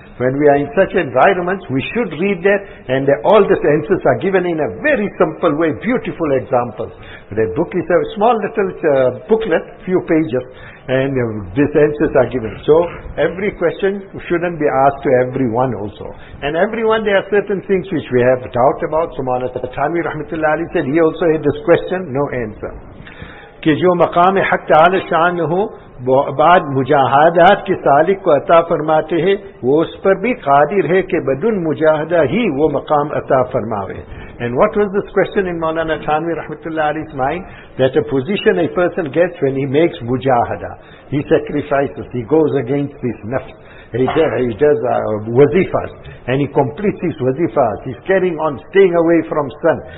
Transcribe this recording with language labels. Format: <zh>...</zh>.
<en>When we are in such environments, we should read that, and all the answers are given in a very simple way, beautiful examples. The book is a small little booklet, few pages, and these answers are given. So every question shouldn't be asked to everyone also. And everyone, there are certain things which we have doubt about. So Maulana Thanvi Rahmatullah Ali said, he also had this question, no answer.</en> <ur>کہ جو مقام حق تعالی شان ہو بعد مجاہدات کے سالک کو عطا فرماتے ہیں وہ اس پر بھی قادر ہے کہ بدون مجاہدہ ہی وہ مقام عطا فرماوے.</ur> <en>And what was this question in Maulana Thanvi Rahmatullah Ali's mind? That a position a person gets when he makes mujahada. He sacrifices, he goes against this nafs. He does wazifas. And he completes his wazifas. He's carrying on, staying away from sun.</en>